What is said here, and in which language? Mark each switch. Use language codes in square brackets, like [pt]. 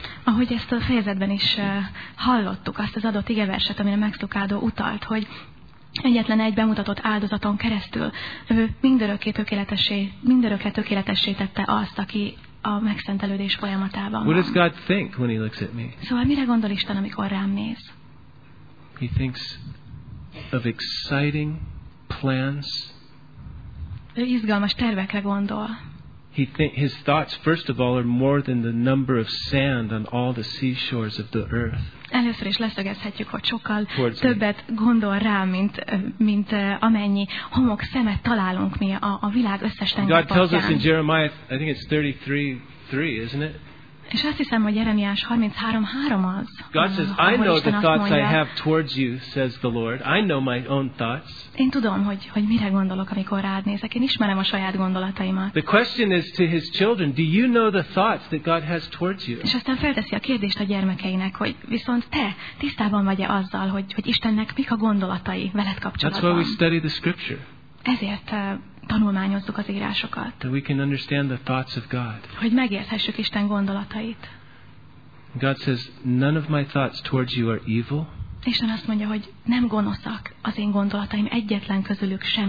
[hu] Ahogy ezt a fejezetben is hallottuk, azt az adott igeverset, amire Max Lucado utalt, hogy egyetlen egy bemutatott áldozaton keresztül ő mindörökre tökéletessé tette azt, aki a megszentelődés folyamatában van. [en] What does God think when he looks at me? [hu] Szóval mire gondol Isten, amikor rám néz? [en] He thinks of exciting plans. [hu] Ő izgalmas tervekre gondol. [en] His thoughts, first of all, are more than the number of sand on all the seashores of the earth. [hu] Először is leszögezhetjük, hogy sokkal többet gondol rá, mint amennyi homok szemet találunk mi a világ összes tengerpartján. [en] God tells us in Jeremiah, I think it's 33:3, isn't it? [hu] És azt hiszem, hogy Jeremiás 33:3 az. [en] God says, I know the thoughts I have towards you, says the Lord. I know my own thoughts. [hu] Én tudom, hogy mire gondolok, amikor rád nézek. Én ismerem a saját gondolataimat. [en] The question is to his children, do you know the thoughts that God has towards you? [hu] És aztán felteszi a kérdést a gyermekeinek, hogy viszont te tisztában vagy-e azzal, hogy Istennek mik a gondolatai veled kapcsolatban? [en] That's why we study the scripture. [hu] Ezért tanulmányozzuk az írásokat. [en] That we can understand the thoughts of God. [hu] Hogy megérthessük Isten gondolatait. [en] God says, none of my thoughts towards you are evil. [hu] Isten azt mondja, hogy nem gonoszak az én gondolataim, egyetlen közülük sem